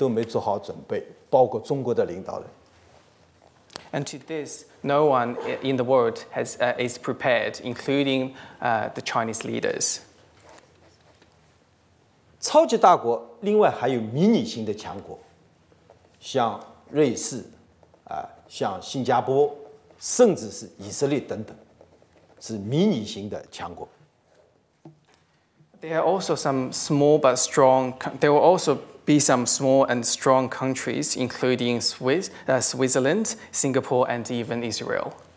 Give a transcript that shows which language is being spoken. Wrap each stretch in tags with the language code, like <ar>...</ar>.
<zh>对此，全世界都没做好准备，包括中国的领导人。</zh> <en>And to this, no one in the world is prepared, including the Chinese leaders.</en> <zh>超级大国另外还有迷你型的强国。像瑞士，像新加坡，甚至是以色列等等，是迷你型的强国。</zh> <en>There are also some small but strong. There will also be some small and strong countries, including Switzerland, Singapore, and even Israel.</en>